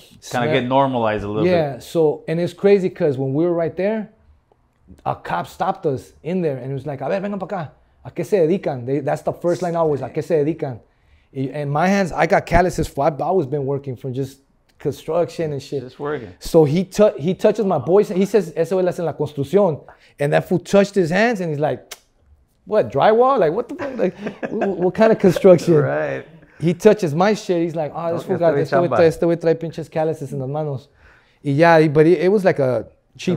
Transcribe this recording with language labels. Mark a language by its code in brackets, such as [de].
[en] kind of get normalized a little bit. Yeah, so, and it's crazy because when we were right there, a cop stopped us in there and it was like, [es] a ver, vengan para acá. ¿A qué se dedican? [en] That's the first line always, [es] ¿a qué se dedican? [en] And my hands, I got calluses. I've always been working from just construction and shit. Just working. So he touches my boy's hand. He says, [es] eso es en la construcción. [en] And that fool touched his hands and he's like, what, drywall? Like, what the fuck? what kind of construction? Right. He touches my shit. He's like, oh, this fool got this. [es] Este we trae pinches calluses en las manos. Y ya, [en] but it was like a cheap